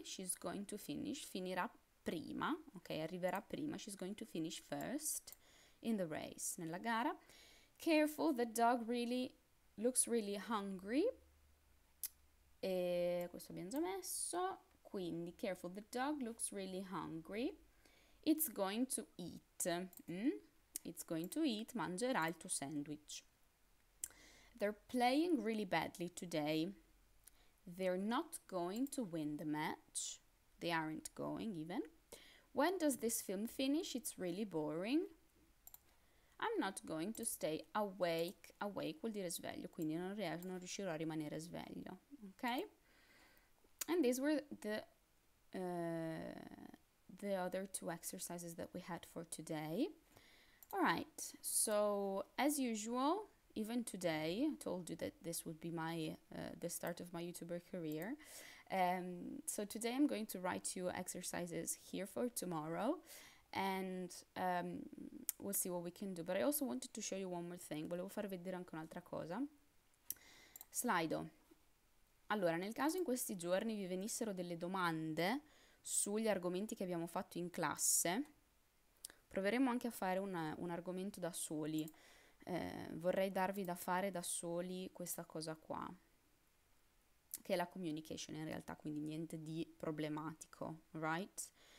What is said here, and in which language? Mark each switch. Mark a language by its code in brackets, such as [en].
[en] She's going to finish, [it] finirà prima, [en] ok, [it] arriverà prima. [en] She's going to finish first in the race, [it] nella gara. [en] Careful, the dog really looks really hungry. [it] E questo abbiamo già messo. Quindi, [en] careful, the dog looks really hungry. It's going to eat. It's going to eat, [it] mangerà il tuo sandwich. [en] They're playing really badly today. They're not going to win the match. They aren't going even. When does this film finish? It's really boring. I'm not going to stay awake. [it] Awake vuol dire sveglio, quindi non riuscirò a rimanere sveglio. Ok? [en] And these were the other two exercises that we had for today. Alright, so as usual, even today, I told you that this would be my the start of my YouTuber career. So today I'm going to write you exercises here for tomorrow, and we'll see what we can do. But I also wanted to show you one more thing. [it] Volevo far vedere anche un'altra cosa. Slido. Allora, nel caso in questi giorni vi venissero delle domande sugli argomenti che abbiamo fatto in classe, proveremo anche a fare un argomento da soli. Vorrei darvi da fare da soli questa cosa qua, che è la communication in realtà, quindi niente di problematico, right?